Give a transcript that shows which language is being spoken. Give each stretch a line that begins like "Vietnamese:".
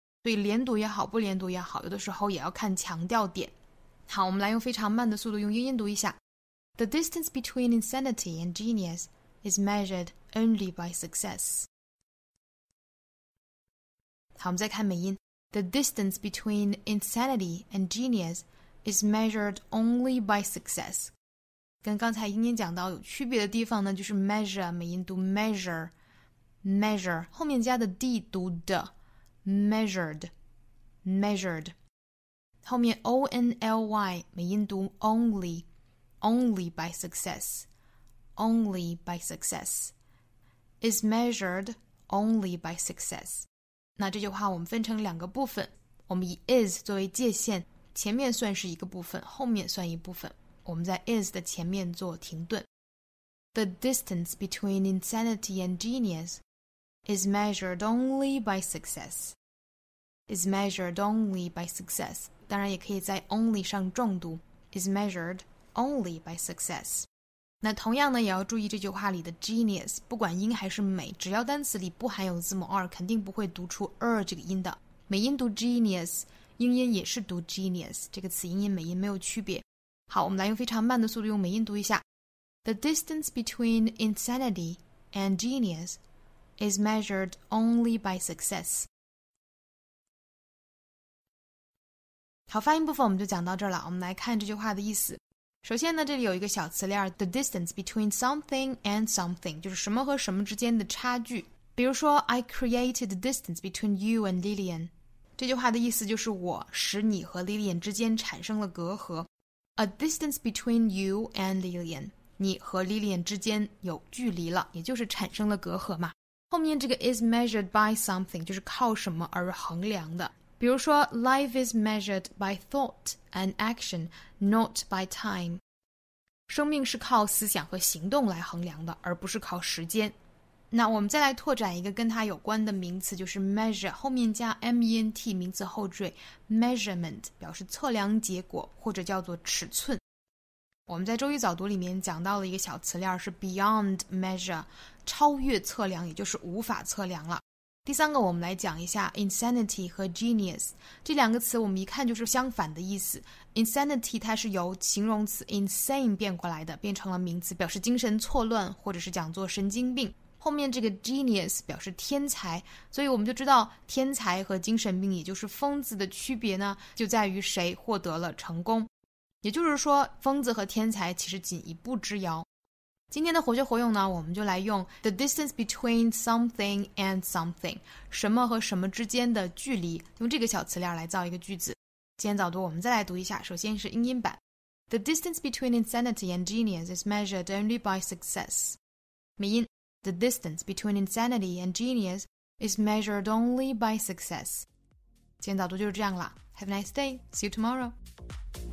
Chinese: 所以连读也好不连读也好，有的时候也要看强调点。好，我们来用非常慢的速度用英音读一下。
English: The distance between insanity and genius is measured only by success.
Chinese: 好，我们再看美音。
English: The distance between insanity and genius is measured only by success.
Chinese: 跟刚才英英讲到有区别的地方呢，就是 measure, 美音读 measure, measure, 后面加的 d 读的 measured, measured, 后面 only, 美音读 only,
English: only by success, only by success,
Chinese: is measured only by success. 那这句话我们分成两个部分，我们以 is 作为界限，前面算是一个部分，后面算一部分。我们在 is 的前面做停顿。
English: The distance between insanity and genius is measured only by success. Is measured only by success.
Chinese: 当然也可以在
English: only
Chinese: 上重读，
English: is measured only by success.
Chinese: 那同样呢也要注意这句话里的 genius， 不管音还是美，只要单词里不含有字母 r， 肯定不会读出 r 这个音的。美音读 genius， 英音也是读 genius， 这个词英音美音没有区别。好，我们来用非常慢的速度用美音读一下。
English: The distance between insanity and genius is measured only by success.
Chinese: 好，发音部分我们就讲到这儿了。我们来看这句话的意思。首先呢，这里有一个小词链 ,
English: the distance between something and something,
Chinese: 就是什么和什么之间的差距。比如说
English: ,I created the distance between you and Lillian.
Chinese: 这句话的意思就是我使你和 Lillian 之间产生了隔阂。
English: A distance between you and Lillian.
Chinese: 你和 Lillian 之间有距离了，也就是产生了隔阂嘛。后面这个
English: is measured by something,
Chinese: 就是靠什么而衡量的。比如说
English: ,life is measured by thought and action, not by time.
Chinese: 生命是靠思想和行动来衡量的，而不是靠时间。那我们再来拓展一个跟它有关的名词，就是 measure, 后面加 ment, 名词后缀 ,measurement, 表示测量结果或者叫做尺寸。我们在周一早读里面讲到了一个小词链是
English: beyond measure,
Chinese: 超越测量，也就是无法测量了。第三个我们来讲一下 insanity 和 genius, 这两个词我们一看就是相反的意思。 insanity 它是由形容词 insane 变过来的，变成了名词表示精神错乱或者是讲作神经病。后面这个 genius 表示天才，所以我们就知道天才和精神病也就是疯子的区别呢，就在于谁获得了成功。也就是说疯子和天才其实仅一步之遥。今天的活学活用呢，我们就来用
English: the distance between something and something,
Chinese: 什么和什么之间的距离，用这个小词链来造一个句子。今天早读我们再来读一下，首先是英音版。
English: The distance between insanity and genius is measured only by success.
Chinese: 美音。
English: The distance between insanity and genius is measured only by success.
Chinese: 今天早读就是这样了。
English: Have a nice day. See you tomorrow.